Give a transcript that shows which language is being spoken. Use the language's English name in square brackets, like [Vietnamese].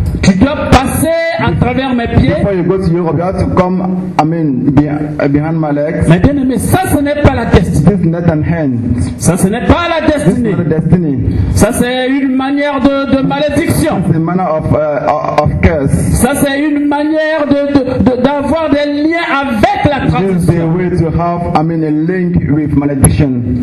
[French] Tu dois passer à travers mes pieds. [English] Before you go to Europe, you have to come, behind my legs. [French] Mais bien aimé, ça ce n'est pas la destinée. [English] This is not an end. [French] Ça ce n'est pas la destinée. [English] This is not a destiny. [French] Ça c'est une manière de malédiction. [English] It's a manner of curse. [French] Ça c'est une manière de d'avoir des liens avec la tradition. [English] This is a way to have, a link with malediction.